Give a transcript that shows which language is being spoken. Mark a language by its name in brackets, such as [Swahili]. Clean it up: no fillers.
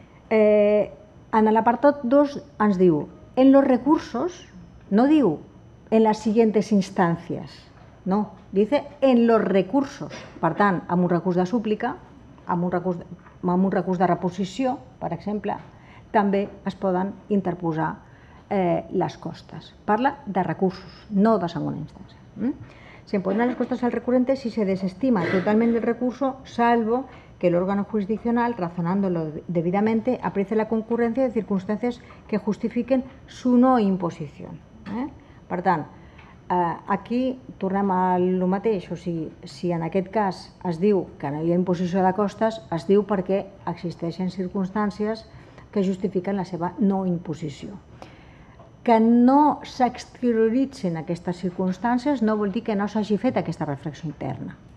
[Catalan] En l'apartat 2 ens diu, [Spanish] en los recursos, [Catalan] no diu [Spanish] en las siguientes instancias, [Catalan] no, [Spanish] dice en los recursos, [Catalan] per tant, amb un recurs de súplica, amb un recurs de reposició, per exemple, també es poden interposar les costes. Parla de recursos, no de segona instància. [Spanish] Se imponen las costas al recurrente si se desestima totalmente el recurso, salvo que el órgano jurisdiccional, razonándolo debidamente, aprecie la concurrencia de circunstancias que justifiquen su no imposición. [Catalan] Per tant, aquí tornem al mateix, o sigui, si en aquest cas es diu que no hi ha imposició de costes, es diu perquè existeixen circumstàncies que justifiquen la seva no imposició. Que no s'exterioritzen aquestes circumstàncies no vol dir que no s'hagi fet aquesta reflexió interna.